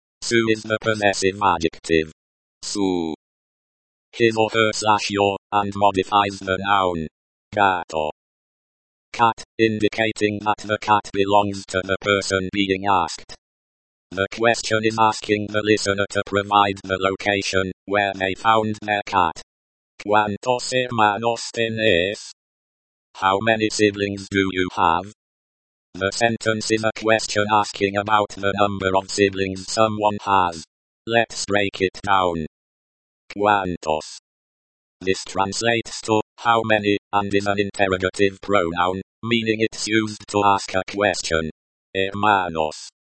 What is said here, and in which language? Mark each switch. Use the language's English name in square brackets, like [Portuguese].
[English] Su is the possessive adjective. Su. His or her slash your, and modifies the noun. Gato. Cat, indicating that the cat belongs to the person being asked. The question is asking the listener to provide the location where they found their cat. [Spanish] ¿Cuántos hermanos tenés? [English] How many siblings do you have? The sentence is a question asking about the number of siblings someone has. Let's break it down. ¿Cuántos? This translates to how many, and is an interrogative pronoun, meaning it's used to ask a question. Hermanos.